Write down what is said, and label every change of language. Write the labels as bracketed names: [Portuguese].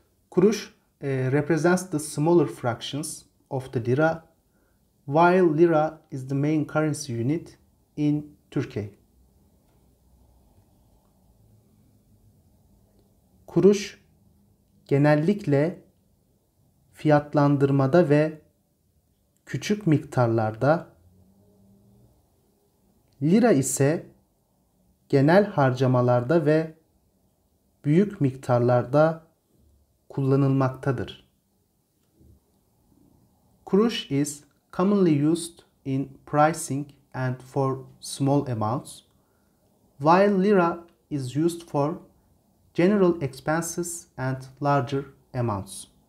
[English] Kuruş represents the smaller fractions of the lira, while lira is the main currency unit in Turkey. [Turkish] Kuruş genellikle fiyatlandırmada ve küçük miktarlarda, lira ise genel harcamalarda ve büyük miktarlarda kullanılmaktadır. [English] Kuruş is commonly used in pricing and for small amounts, while lira is used for general expenses and larger amounts.